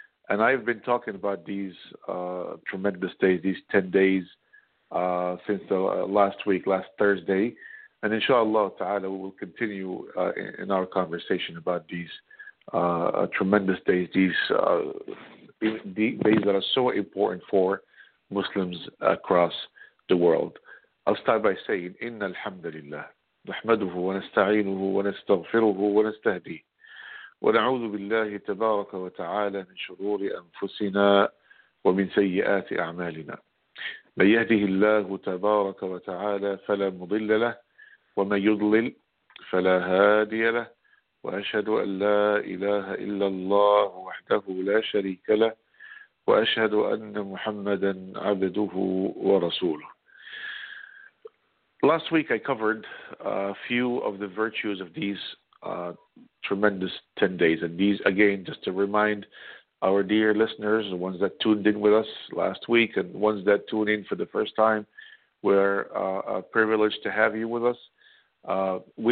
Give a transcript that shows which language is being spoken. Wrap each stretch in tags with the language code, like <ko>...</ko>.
<en>And I've been talking about these tremendous days, these 10 days, since the last week, last Thursday. And inshallah ta'ala, we will continue in our conversation about these tremendous days, these days that are so important for Muslims across the world. I'll start by saying,</en> <ar>Inna alhamdulillah. نحمده ونستعينه ونستغفره ونستهديه ونعوذ بالله تبارك وتعالى من شرور أنفسنا ومن سيئات أعمالنا من يهده الله تبارك وتعالى فلا مضل له ومن يضلل فلا هادي له وأشهد أن لا إله إلا الله وحده لا شريك له وأشهد أن محمدا عبده ورسوله.</ar> <en>Last week, I covered a few of the virtues of these tremendous 10 days. And these, again, just to remind our dear listeners, the ones that tuned in with us last week and ones that tune in for the first time, we're privileged to have you with us.</en>